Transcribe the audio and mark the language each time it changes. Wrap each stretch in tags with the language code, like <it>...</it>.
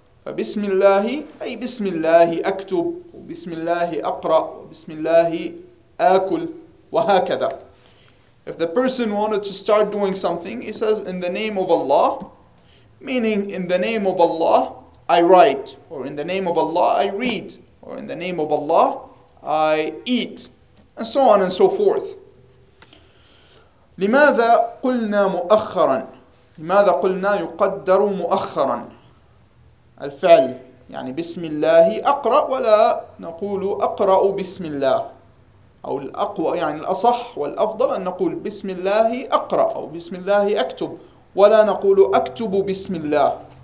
<ar>فبسم الله أي بسم الله أكتب, بسم الله أقرأ, بسم الله آكل, وهكذا.</ar> <en>If the person wanted to start doing something, he says in the name of Allah, meaning in the name of Allah I write, or in the name of Allah I read, or in the name of Allah I eat, and so on and so forth.</en> <ar>لماذا قلنا مؤخرا؟ لماذا قلنا يقدر مؤخرا الفعل؟ يعني بسم الله أقرأ, ولا نقول أقرأ بسم الله, أو الأقوى يعني الأصح والأفضل أن نقول بسم الله أقرأ أو بسم الله أكتب, ولا نقول أكتب بسم الله.</ar>